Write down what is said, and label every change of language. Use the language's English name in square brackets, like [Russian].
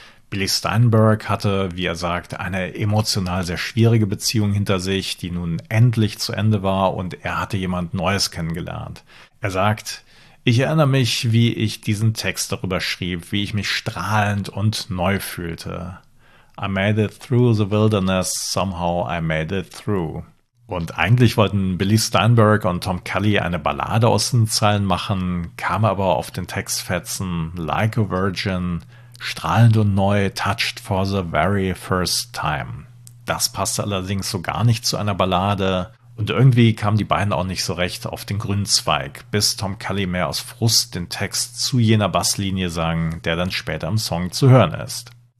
[German] Billy Steinberg hatte, wie er sagt, eine emotional sehr schwierige Beziehung hinter sich, die nun endlich zu Ende war und er hatte jemand Neues kennengelernt. Er sagt: Ich erinnere mich, wie ich diesen Text darüber schrieb, wie ich mich strahlend und neu fühlte. [English] I made it through the wilderness, somehow I made it through. [German] Und eigentlich wollten Billy Steinberg und Tom Kelly eine Ballade aus den Zeilen machen, kam aber auf den Textfetzen Like a Virgin, strahlend und neu, [English] touched for the very first time. [German] Das passte allerdings so gar nicht zu einer Ballade und irgendwie kamen die beiden auch nicht so recht auf den grünen Zweig, bis Tom Kelly mehr aus Frust den Text zu jener Basslinie sang, der dann später im Song zu hören ist.